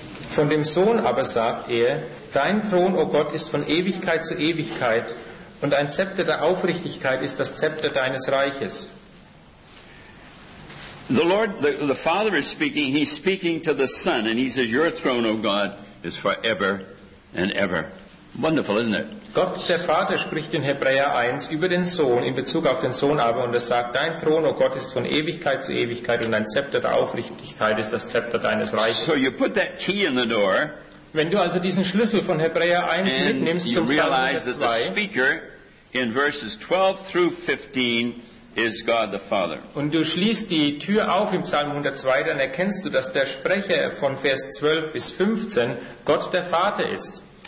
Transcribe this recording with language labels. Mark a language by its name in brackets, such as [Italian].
[German] Von dem Sohn aber sagt er, dein Thron, o Gott, ist von Ewigkeit zu Ewigkeit. Und ein Zepter der Aufrichtigkeit ist das Zepter deines Reiches. [English] The Lord, the Father is speaking, he's speaking to the Son, and he says, your throne, O God, is forever and ever. Wonderful, isn't it? [German] Gott, der Vater, spricht in Hebräer 1 über den Sohn, in Bezug auf den Sohn aber, und er sagt, dein Thron, O Gott, ist von Ewigkeit zu Ewigkeit, und ein Zepter der Aufrichtigkeit ist das Zepter deines Reiches. [English] So you put that key in the door. [German] Wenn du also diesen Schlüssel von Hebräer 1 [English] and [German] mitnimmst zum Psalm 2, [English] the speaker in verses 12 through 15 is God the Father. [German] Und du schließt die Tür auf im Psalm 102, dann erkennst du, dass der Sprecher von Vers 12 bis 15 Gott der Vater ist.